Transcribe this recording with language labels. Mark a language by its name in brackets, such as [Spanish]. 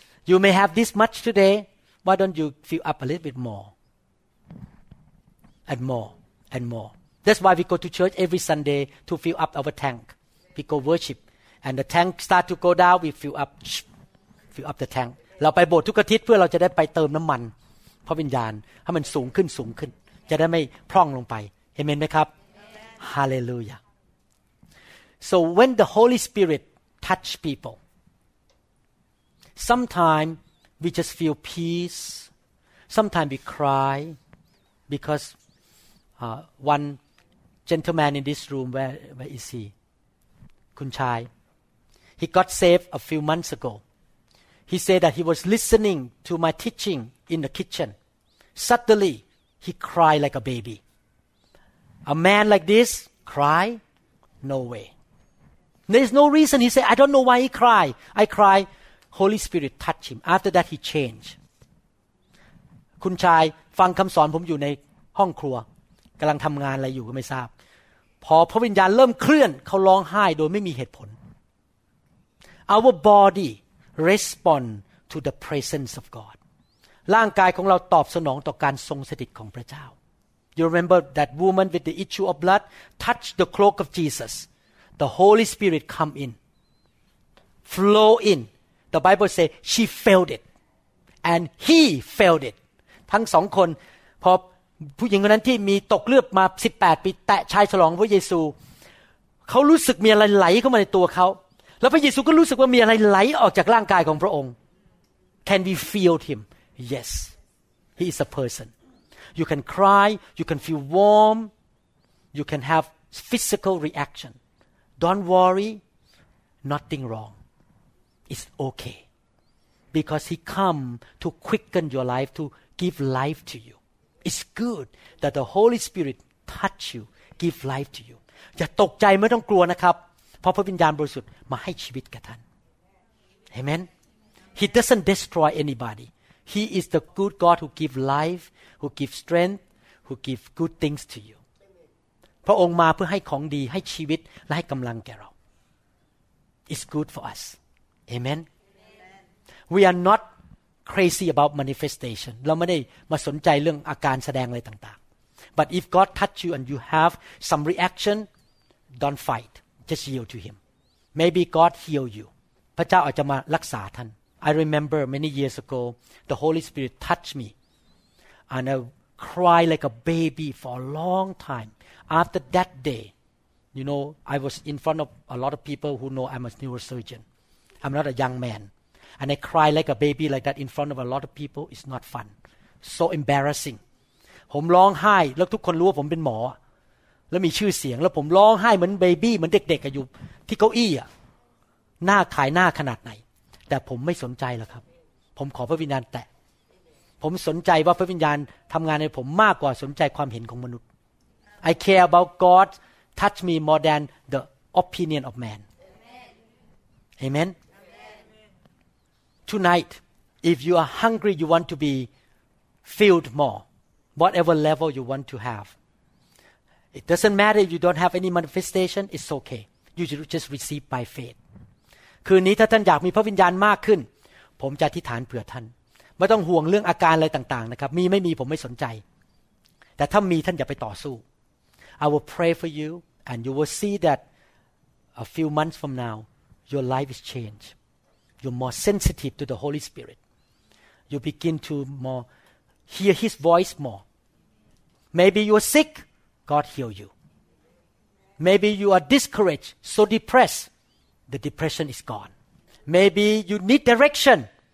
[English] You may have this much today. Why don't you fill up a little bit more and more? and more. That's why we go to church every Sunday to fill up our tank. We go worship. And the tank start to go down, we fill up. Fill up the tank. [Thai] เราไปโบสถ์ทุกอาทิตย์เพื่อเราจะได้ไปเติมน้ำมันพระวิญญาณให้มันสูงขึ้นสูงขึ้นจะได้ไม่พร่องลงไปเห็นไหมครับฮาเลลูยา [English] So when the Holy Spirit touch people, sometimes we just feel peace. Sometimes we cry because one gentleman in this room, where is he? คุณชาย He got saved a few months ago. He said that he was listening to my teaching in the kitchen. Suddenly, he cried like a baby. A man like this cry? No way. There's no reason. He said, I don't know why he cried. I cried. Holy Spirit touched him. After that, he changed. [Thai] คุณชายฟังคำสอนผมอยู่ในห้องครัวกำลังทำงานอะไรอยู่ก็ไม่ทราบพอพระวิญญาณเริ่มเคลื่อนเขาร้องไห้โดยไม่มีเหตุผล [English] Our body respond to the presence of God. [Thai] ร่างกายของเราตอบสนองต่อการทรงสถิตของพระเจ้า [English] You remember that woman with the issue of blood touched the cloak of Jesus. The Holy Spirit come in. Flow in. The Bible say she felt it. And he felt it. [Thai] ทั้งสองคนพอผู้หญิงคนนั้นที่มีตกเลือดมา18ปีแตะชายฉลองพระเยซูเขารู้สึกมีอะไรไหลเข้ามาในตัวเขาแล้วพระเยซูก็รู้สึกว่ามีอะไรไหลออกจากร่างกายของพระองค์ [English] Can we feel him? Yes. He is a person. You can cry, you can feel warm, you can have physical reaction. Don't worry, nothing wrong. It's okay. Because he come to quicken your life, to give life to you. It's good that the Holy Spirit touch you, give life to you. [Thai] อย่าตกใจไม่ต้องกลัวนะครับเพราะพระวิญญาณบริสุทธิ์มาให้ชีวิตกับท่าน Amen [English] He doesn't destroy anybody He is the good God who give life who give strength who give good things to you [Thai] พระองค์มาเพื่อให้ของดีให้ชีวิตและให้กำลังแก่เรา [English] It's good for us Amen We are not crazy about manifestation [Thai] เราไม่ได้มาสนใจเรื่องอาการแสดงอะไรต่างๆ [English] But if God touch you and you have some reaction don't fightJust yield to him. Maybe God heal you. [Thai] พระเจ้าอาจจะมารักษาท่าน [English] I remember many years ago, the Holy Spirit touched me. And I cried like a baby for a long time. After that day, you know, I was in front of a lot of people who know I'm a neurosurgeon. I'm not a young man. And I cried like a baby like that in front of a lot of people. It's not fun. So embarrassing. [Thai] ผมร้องไห้แล้วทุกคนรู้ว่าผมเป็นหมอแล้วมีชื่อเสียงแล้วผมร้องไห้เหมือนเบบี้เหมือนเด็กๆอยู่ที่เก้าอี้อ่ะหน้าขายหน้าขนาดไหนแต่ผมไม่สนใจหรอกครับผมขอพระวิญญาณแตะผมสนใจว่าพระวิญญาณทำงานในผมมากกว่าสนใจความเห็นของมนุษย์ [English] I care about God touch me more than the opinion of man [Thai] Amen. [English] Amen Tonight if you are hungry you want to be filled more whatever level you want to haveIt doesn't matter if you don't have any manifestation. It's okay. You should just receive by faith. [Thai] คืนนี้ถ้าท่านอยากมีพระวิญญาณมากขึ้นผมจะอธิษฐานเผื่อท่านไม่ต้องห่วงเรื่องอาการอะไรต่างๆนะครับมีไม่มีผมไม่สนใจแต่ถ้ามีท่านอย่าไปต่อสู้ [English] I will pray for you and you will see that a few months from now your life is changed. You're more sensitive to the Holy Spirit. You begin to more hear His voice more. Maybe you're sick. God heal you. Maybe you are discouraged, so depressed. The depression is gone. Maybe you need direction.